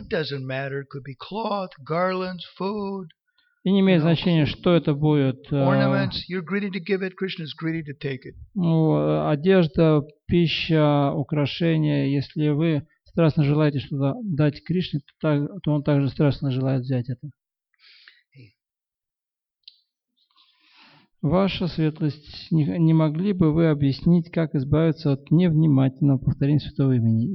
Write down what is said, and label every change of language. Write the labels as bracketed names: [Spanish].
[English] It doesn't matter. It could be cloth, garlands, food. [Russian] И не имеет значения, что это будет. [English] Ornaments, you're greedy to give it, Krishna is greedy to take it. [Russian] Ну, одежда, пища, украшения, если вы страстно желаете что-то дать Кришне, то он также страстно желает взять это. Ваша светлость, не могли бы вы объяснить, как избавиться от невнимательного повторения святого имени?